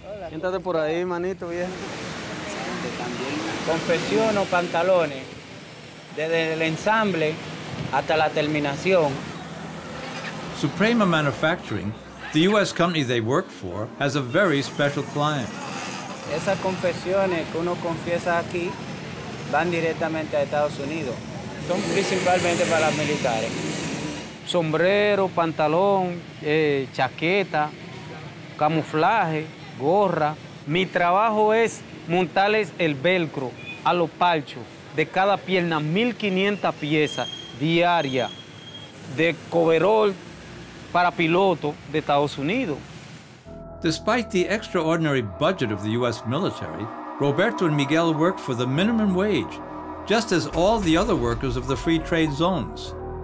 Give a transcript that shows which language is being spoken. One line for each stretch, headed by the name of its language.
Spanish: Entrate por ahí, manito, bien. Confecciono pantalones. desde el ensamble hasta la terminación.
English: Suprema Manufacturing, the U.S. company they work for, has a very special client.
Spanish: Esas confecciones que uno confiesa aquí van directamente a Estados Unidos. Son principalmente para los militares. Sombrero, pantalón, chaqueta, camuflaje, gorra. Mi trabajo es montarles el velcro a los parchos de cada pierna, 1,500 piezas diarias de coverall para piloto de Estados Unidos.
English: Despite the extraordinary budget of the U.S. military, Roberto and Miguel work for the minimum wage, just as all the other workers of the free trade zones.